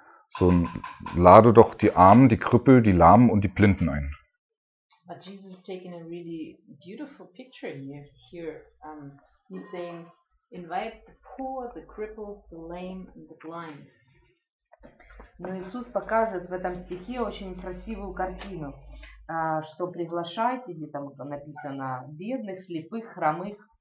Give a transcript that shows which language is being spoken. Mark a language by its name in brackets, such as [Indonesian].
[German] So, lade doch die Armen, die Krüppel, die Lahmen und die Blinden ein. [English] But Jesus is taking a really beautiful picture here. He's saying, invite the poor, the crippled, the lame, and the blind. [Russian] Но Иисус показывает в этом стихе очень красивую картину, что приглашайте, где там написано, бедных, слепых, хромых.